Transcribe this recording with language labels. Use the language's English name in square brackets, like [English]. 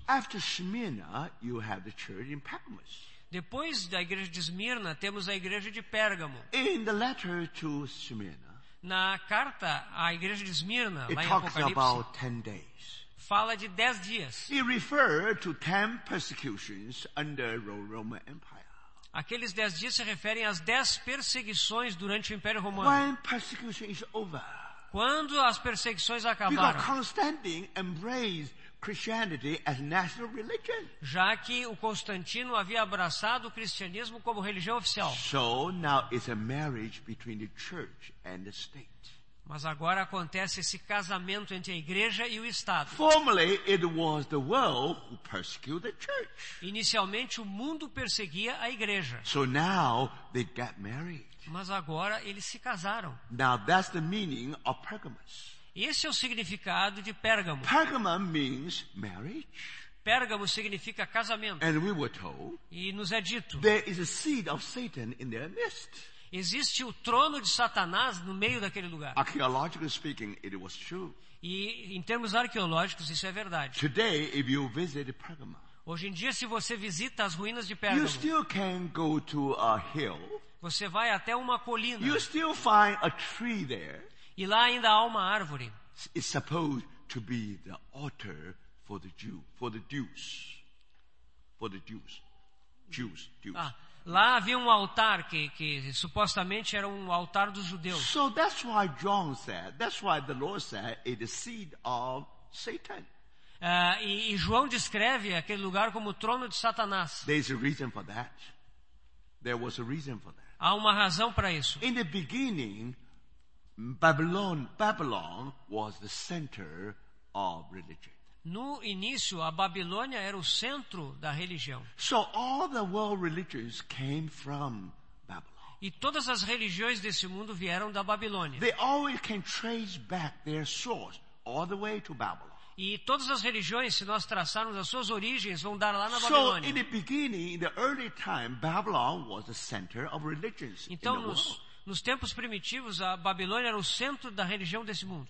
[English] After Smyrna, you have the church in Pergamos. [Portuguese] Depois da igreja de Esmirna, temos a igreja de Pérgamo. [English] In the letter to Smyrna, [Portuguese] na carta à igreja de Esmirna, [English] it talks about 10 days. [Portuguese] Fala de 10 dias. [English] It referred to 10 persecutions under the Roman Empire. [Portuguese] Aqueles 10 dias se referem às 10 perseguições durante o Império Romano. [English] When persecution is over, [Portuguese] quando as perseguições acabaram. [English] Because Constantine embraced Christianity as national religion. [Portuguese] Já que o Constantino havia abraçado o cristianismo como religião oficial. [English] So now it's a marriage between the church and the state. [Portuguese] Mas agora acontece esse casamento entre a igreja e o Estado. [English] Formerly, it was the world who persecuted the church. [Portuguese] Inicialmente, o mundo perseguia a igreja. [English] So now, they got married. [Portuguese] Mas agora, eles se casaram. [English] Now, that's the meaning of Pergamos. [Portuguese] Esse é o significado de Pérgamo. [English] Pergamo means marriage. [Portuguese] Pérgamo significa casamento. [English] And we were told, [Portuguese] e nos é dito, [English] there is a seed of Satan in their midst. [Portuguese] Existe o trono de Satanás no meio daquele lugar. [English] Archaeologically speaking, it was true. [Portuguese] E em termos arqueológicos, isso é verdade. [English] Today, if you visit Pergamum, [Portuguese] hoje em dia, se você visita as ruínas de Pérgamo, [English] you still can go to a hill, [Portuguese] você vai até uma colina, [English] you still find a tree there, [Portuguese] e lá ainda há uma árvore. [English] It's supposed to be the altar for the Jew, for the Jews. For the Jews. Jews, Jews. [Portuguese] Ah, lá havia um altar que supostamente era um altar dos judeus. [English] So that's why John said, that's why the Lord said, it is seed of Satan. [Portuguese] E João descreve aquele lugar como o trono de Satanás. [English] There's a reason for that. There was a reason for that. [Portuguese] Há uma razão para isso. [English] In the beginning, Babylon was the center of religion. [Portuguese] No início, a Babilônia era o centro da religião. [English] So all the world religions came from Babylon. [Portuguese] E todas as religiões desse mundo vieram da Babilônia. [English] They always can trace back their source all the way to Babylon. [Portuguese] E todas as religiões, se nós traçarmos as suas origens, vão dar lá na Babilônia. [English] So, in the beginning, in the early time, Babylon was the center of religions in the world. [Portuguese] Então, nos tempos primitivos, a Babilônia era o centro da religião desse mundo.